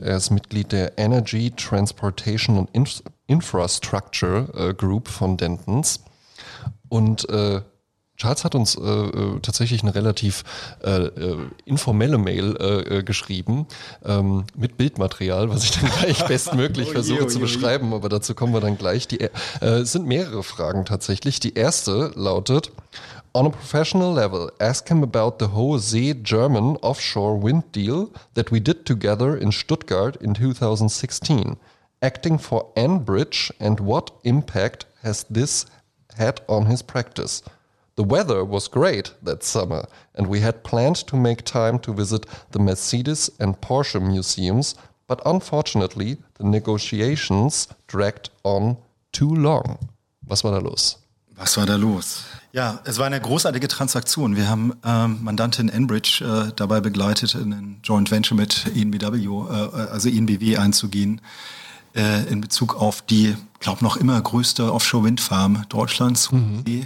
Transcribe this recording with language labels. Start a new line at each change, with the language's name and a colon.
German: Er ist Mitglied der Energy, Transportation und Infrastructure Group von Dentons. Und Charles hat uns tatsächlich eine relativ informelle Mail geschrieben mit Bildmaterial, was ich dann gleich bestmöglich versuche zu beschreiben, aber dazu kommen wir dann gleich. Es sind mehrere Fragen tatsächlich. Die erste lautet:
English: On a professional level, ask him about the Jose German offshore wind deal that we did together in Stuttgart in 2016, acting for Enbridge, and what impact has this had on his practice? The weather was great that summer, and we had planned to make time to visit the Mercedes and Porsche museums, but unfortunately, the negotiations dragged on too long.
German: Was war da los? Was war da los? Ja, es war eine großartige Transaktion. Wir haben Mandantin Enbridge dabei begleitet, in ein Joint Venture mit INBW einzugehen, in Bezug auf die, glaube noch immer größte Offshore-Windfarm Deutschlands. Mhm.